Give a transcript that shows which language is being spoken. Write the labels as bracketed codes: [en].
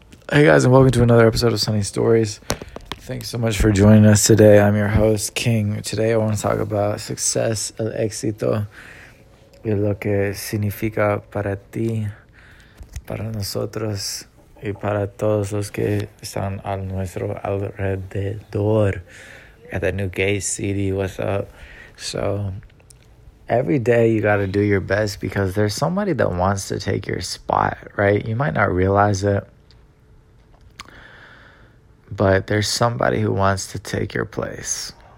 [en] Hey guys, and welcome to another episode of Sunny Stories. Thanks so much for joining us today. I'm your host, King. Today I want to talk about success, [es] el éxito, y lo que significa para ti, para nosotros, y para todos los que están a nuestro alrededor. [en] Got that new gay CD, what's up? So, every day you got to do your best because there's somebody that wants to take your spot, right? You might not realize it, but there's somebody who wants to take your place.